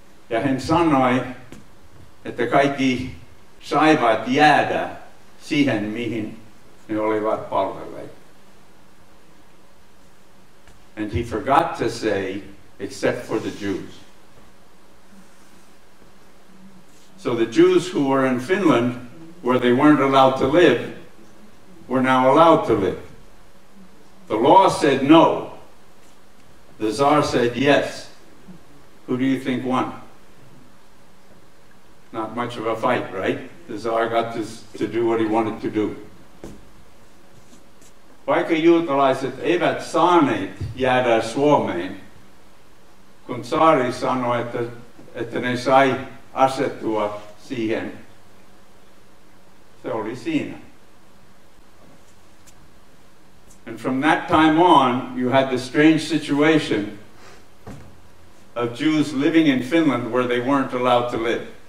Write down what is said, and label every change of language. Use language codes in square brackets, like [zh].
[fi] Ja hän sanoi, että kaikki saivat jäädä siihen, mihin ne olivat palvelleet. [en] And he forgot to say, except for the Jews. So the Jews who were in Finland, where they weren't allowed to live, were now allowed to live. The law said no. The Tsar said yes. Who do you think won? Not much of a fight, right? The Tsar got to do what he wanted to do. [fi] Vaikka juutalaiset eivät saaneet jäädä Suomeen, kun tsaari sanoi, että ne sai asettua siihen, se oli siinä. [en] And from that time on, you had the strange situation of Jews living in Finland where they weren't allowed to live.